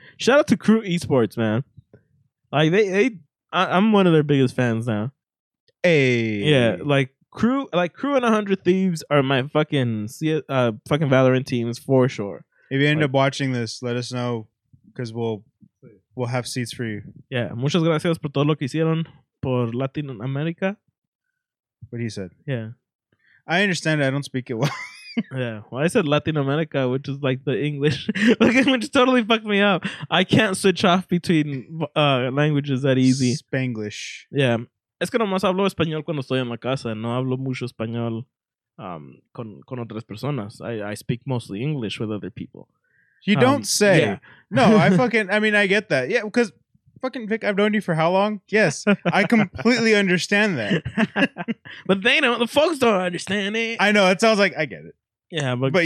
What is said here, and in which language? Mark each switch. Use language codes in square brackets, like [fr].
[en] Shout out to Crew Esports, man. Like, I'm one of their biggest fans now. Hey. Yeah, like Crew and 100 Thieves are my fucking Valorant teams for sure. If you end up watching this, let us know cuz we'll have seats for you. [es] Yeah, muchas gracias por todo lo que hicieron por Latin America. [en] What he said. Yeah. I understand it. I don't speak it well. Yeah, well, I said Latin America, which is like the English, which totally fucked me up. I can't switch off between languages that easy. Spanglish. Yeah. [es] Es que nomás hablo español cuando estoy en la casa. No hablo mucho español con otras personas. [en] I speak mostly English with other people. You don't say. Yeah. No, I get that. Yeah, because fucking Vic, I've known you for how long? Yes, I completely understand that. But they don't. The folks don't understand it. I know. It sounds like I get it. Yeah, but